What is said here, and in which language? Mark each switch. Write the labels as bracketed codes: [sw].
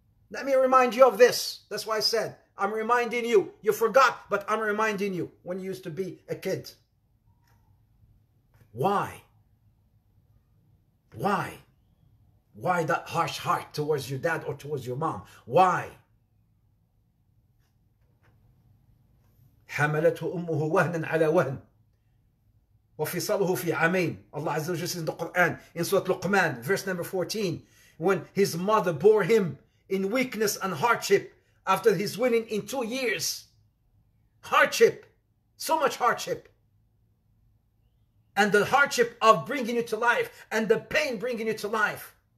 [en] Let me remind you of this. That's why I said, I'm reminding you. You forgot, but I'm reminding you when you used to be a kid. Why? Why? Why that harsh heart towards your dad or towards your mom? Why? [ar] حملته أمه وهنا على وهن وفصاله في عامين. [en] Allah Azza wa Jalla says in the Quran, in Surah Luqman, verse number 14, when his mother bore him in weakness and hardship after his weaning in 2 years. Hardship. So much hardship. And the hardship of bringing you to life and the pain bringing you to life.